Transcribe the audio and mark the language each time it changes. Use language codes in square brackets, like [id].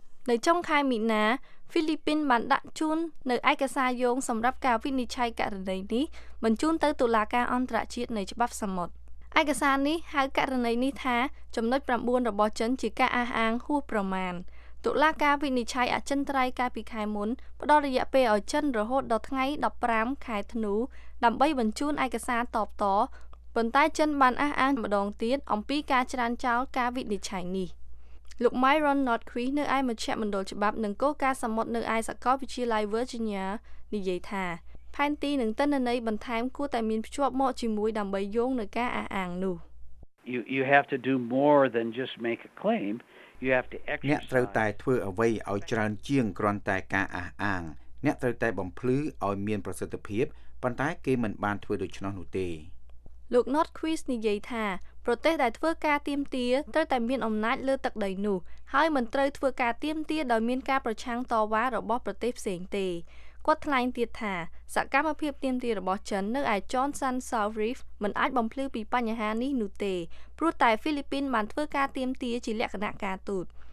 [km] នៅចុងខែមីនាហ្វីលីពីនបានដាក់ជូននៅឯកសារយោងសម្រាប់ការវិនិច្ឆ័យករណីនេះបញ្ជូនទៅតុលាការអន្តរជាតិនៃច្បាប់សមុទ្រឯកសារនេះហៅករណីនេះថាចំណុច9របស់ចិនជាការអះអាងហួសប្រមាណតុលាការវិនិច្ឆ័យអចិន្ត្រៃយ៍កាលពីខែមុនផ្ដល់រយៈពេលឲ្យចិនរហូតដល់ថ្ងៃ15ខែធ្នូដើម្បីបញ្ជូនឯកសារតបតប៉ុន្តែចិនបានអះអាងម្ដងទៀតអំពីការច្រានចោលការវិនិច្ឆ័យនេះ លោក Myron Notquist នៅឯមជ្ឈមណ្ឌលច្បាប់និងគោលការណ៍សមុទ្រនៅឯសាកលវិទ្យាល័យ Virginia និយាយថាផែនទីនិងទិន្នន័យបន្ថែមគួរតែមានភ្ជាប់មកជាមួយដើម្បីយោងនៅការអះអាងនោះ [en] You have to do more than just make a claimYou have to exercise [km] អ្នកត្រូវតែធ្វើអ្វីឲ្យច្រើនជាងគ្រាន់តែការអះអាងអ្នកត្រូវតែបំភ្លឺឲ្យមានប្រសិទ្ធភាពប៉ុន្តែគេមិនបានធ្វើដូច្នោះនោះទេ លោក Notquist និយាយថាប្រទេសដែលធ្វើការទៀមទាត្រូវតែមានអំណាចលើទឹកដីនោះហើយមិនត្រូវធ្វើការទៀមទាដោយមានការប្រឆាំងតវ៉ារបស់ប្រទេសផ្សេងទេគាត់ថ្លែងទៀតថាសកម្មភាពទៀមទារបស់ចិននៅឯ Johnson Sound Reef មិនអាចបំភ្លឺពីបញ្ហានេះនោះទេព្រោះតែហ្វីលីពីនបានធ្វើការទៀមទាជាលក្ខណៈការទូត